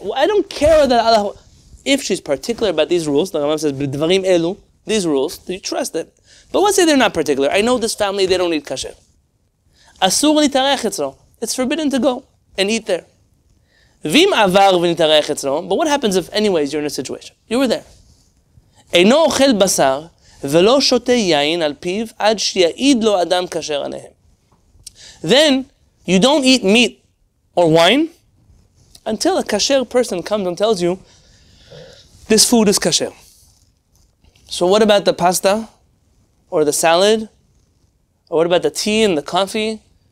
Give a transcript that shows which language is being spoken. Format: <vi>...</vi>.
<en>Well, I don't care that Allah... If she's particular about these rules, the Imam says,</en> <he>"Bidvarim elu,"</he> <en>these rules, do you trust them? But let's say they're not particular. I know this family, they don't eat kasher.</en> <he>Asur litarech etzlo.</he> <en>It's forbidden to go and eat there.</en> <he>Vim avar v'nitarech etzlo.</he> <en>But what happens if, anyways, you're in a situation? You were there.</en> <he>Eino ochel basar... ולא שותה יין על פיו עד שיעיד לו אדם כשר עליהם.</he> <en>Then, you don't eat meat or wine until a kasher person comes and tells you, this food is kasher. So what about the pasta? Or the salad? Or what about the tea and the coffee?</en>